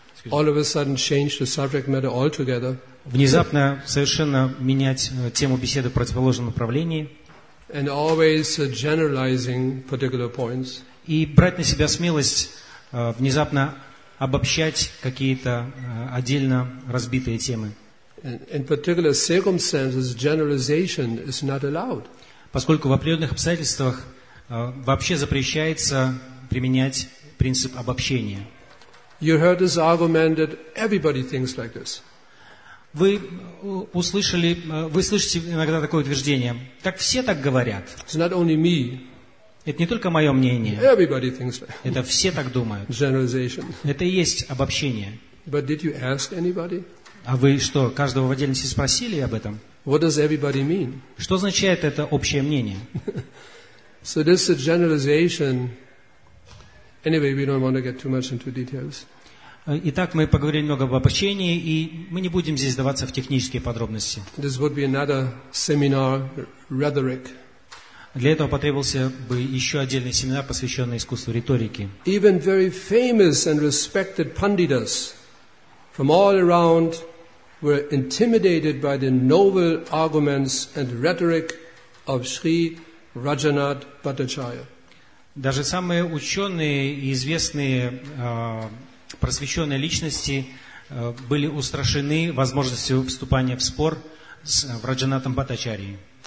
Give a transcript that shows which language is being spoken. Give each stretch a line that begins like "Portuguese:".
English: All of a sudden change the subject matter altogether.
Russian: Внезапно совершенно менять тему беседы в противоположном направлении.
English: And always generalizing particular points.
Russian: И брать на себя смелость внезапно обобщать какие-то отдельно разбитые темы.
English: In particular circumstances, generalization is not allowed.
Russian: Поскольку в определенных обстоятельствах вообще запрещается применять принцип обобщения.
English: You heard this argument that everybody thinks like this.
Russian: Вы слышите иногда такое утверждение: так все так говорят.
English: It's not only me.
Russian: Это не только мое мнение.
English: Everybody thinks like this.
Russian: Это все так думают.
English: Generalization.
Russian: Это и есть обобщение.
English: But did you ask anybody?
Russian: А вы что, каждого в отдельности спросили об этом?
English: What does everybody mean?
Russian: Что означает это общее мнение?
English: So this is a generalization. Anyway, we don't want to get too much into details.
Russian: Итак, мы поговорили много об обобщении, и мы не будем здесь вдаваться в технические подробности.
English: This would be another seminar rhetoric.
Russian: Для этого потребовался бы еще отдельный семинар, посвященный искусству риторики.
English: Even very famous and respected panditas from all around were intimidated by the novel arguments and rhetoric of Sri Rajanath Bhattacharya.
Russian: Даже самые ученые и известные просвещенные личности были устрашены возможностью вступания в спор с Раджанатом Бхаттачарьей.